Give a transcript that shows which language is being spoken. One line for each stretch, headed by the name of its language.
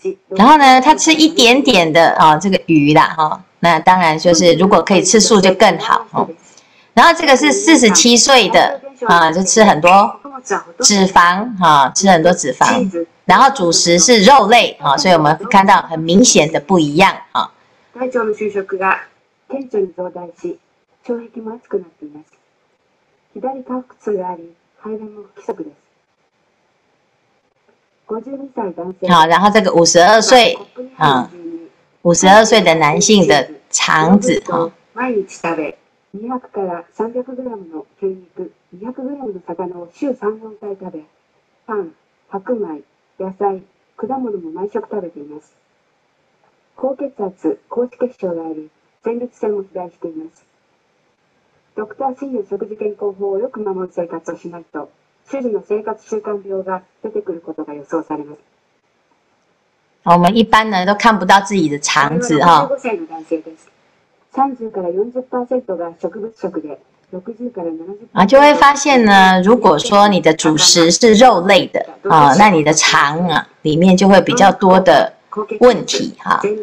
Chinese: 然后呢，他吃一点点的啊这个鱼啦哈，那当然就是如果可以吃素就更好哈，然后这个是47岁的啊，就吃很多脂肪哈，吃很多脂肪，然后主食是肉类啊，所以我们看到很明显的不一样啊。
Japanese: 顕著に増大し、腸壁も厚くなっています。左下腹痛があり、排便も不規則です。 52歳男性。
Chinese: 好，然后这个52岁，啊，52岁的男性的肠子，哈。
Japanese: 毎日食べ、200から300グラムの牛肉、200グラムの魚を週3、4回食べ、パン、白米、野菜、果物も毎食食べています。高血圧、高脂血症があり、前立腺を肥大しています。ドクター診療食事健康法をよく守る生活をしないと、主人の生活習慣病が出てくることが予想されます。
Chinese: 我们一般呢都看不到自己的肠子哈。
Japanese: 65歳の男性です。 30から 40% が植物食で、
Chinese: 啊，就会发现呢，如果说你的主食是肉类的啊，那你的肠啊里面就会比较多的问题哈、啊。